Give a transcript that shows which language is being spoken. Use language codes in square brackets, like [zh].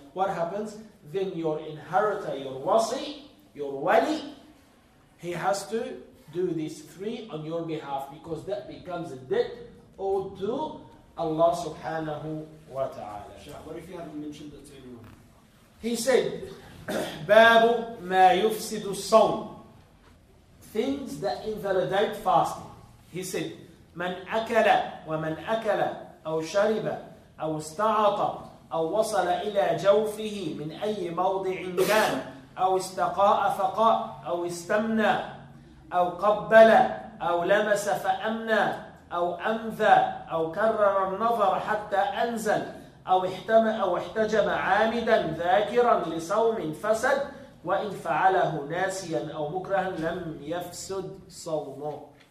[en] What happens? Then your inheritor, your wasi, your wali, he has to do this 3 on your behalf, because that becomes a debt owed to Allah subhanahu wa ta'ala. What if you haven't mentioned that to anyone? He said, [ar] بَابُ مَا يُفْسِدُ الصَّوْمُ. [en] Things that invalidate fasting. He said, [ar] مَنْ أَكَلَ وَمَنْ أَكَلَ أَوْ شَرِبَ أَوْ اسْتَعَطَ أَوْ وَصَلَ إِلَى جَوْفِهِ مِنْ أَيِّ مَوْضِعٍ كَانَ أَوْ اسْتَقَاءَ فَقَاءَ أَوْ اسْتَمْنَى أَوْ قَبَّلَ أَوْ لَمَسَ فَأَمْنَى أَوْ أَمْذَى أَوْ كَرَّرَ النَّظَرَ حَتَّى أَنْزَلَ أَوْ احتم أَوْ احْتَجَمَ عَامِدًا ذَاكِرًا لِصَوْمٍ فَسَدْ وَإِنْ فَعَلَهُ نَاسِيًا أَوْ مُكْرَهًا لَمْ يَفْسُدْ صَوْمُهُ.